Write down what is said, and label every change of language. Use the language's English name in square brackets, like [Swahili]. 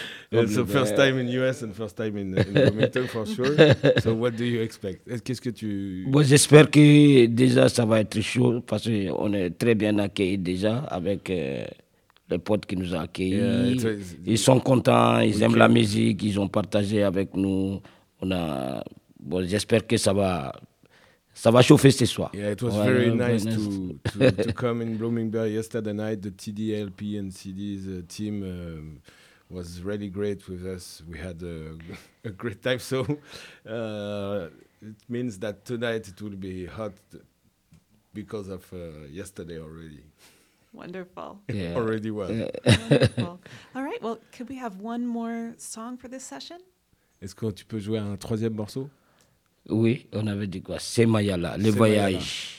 [English] It's the first time in US and first time in Bloomington for sure. So what do you expect? [French] Qu'est-ce que tu... Bon, j'espère que déjà ça va être chaud parce qu'on est très bien accueillis déjà avec les potes qui nous ont accueillis. Ils sont contents, ils aiment la musique, ils ont partagé avec nous. Bon, j'espère que ça va... Ça va chauffer ce soir. [English] Yeah, it was very nice to come in Bloomingbury yesterday night. The TDLP and CD's team was really great with us. We had a great time. So it means that tonight it will be hot because of yesterday already. Wonderful. Yeah. Already was. All right. Well, could we have one more song for this session? [French] Est-ce que tu peux jouer un troisième morceau? Oui, on avait dit quoi? C'est Mayala, le voyage.